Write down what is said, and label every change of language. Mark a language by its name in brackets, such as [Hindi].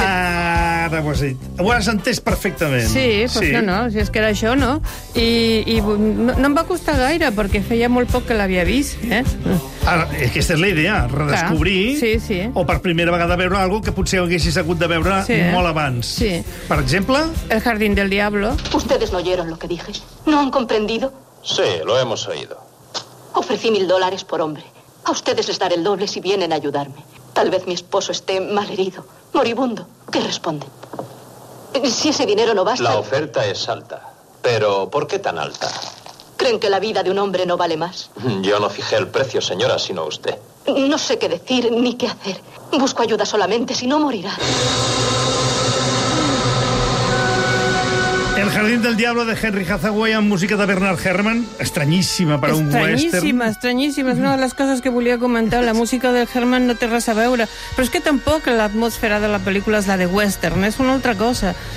[Catalan] Ara ho has dit. Ho has entès perfectament. Sí, sí. Pues no, si és que era això, no? I no em va costar gaire, perquè feia molt poc que l'havia vist, Ara, aquesta és la idea, redescobrir o per primera vegada veure algo que potser haguessis hagut de veure molt abans. Sí. Per exemple... El Jardín del Diablo. [Spanish] Ustedes no oyeron lo que dije. ¿No han comprendido? Sí, lo hemos oído. Ofrecí $1,000 por hombre. A ustedes les daré el doble si vienen a ayudarme. Tal vez mi esposo esté mal herido, moribundo. ¿Qué responden? Si ese dinero no basta... La oferta es alta. Pero, ¿por qué tan alta? ¿Creen que la vida de un hombre no vale más? Yo no fijé el precio, señora, sino usted. No sé qué decir ni qué hacer. Busco ayuda solamente, si no morirá. [Catalan] El Jardín del Diablo de Henry Hathaway amb música de Bernard Herrmann, estranyíssima per un western. Estranyíssima, estranyíssima. És una de les coses que volia comentar. La música de Herrmann no té res a veure. Però és que tampoc l'atmosfera de la pel·lícula és la de western. És una altra cosa.